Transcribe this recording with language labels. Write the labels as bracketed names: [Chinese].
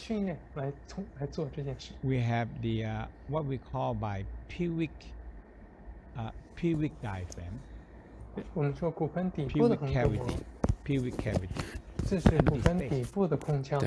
[Chinese] 所以需要特别的训练来做这件事。We [English] have the what we call by pelvic diaphragm. [Chinese] 我们说骨盆底部的空腔。Pelvic [English] cavity. [Chinese] 这是骨盆底部的空腔。We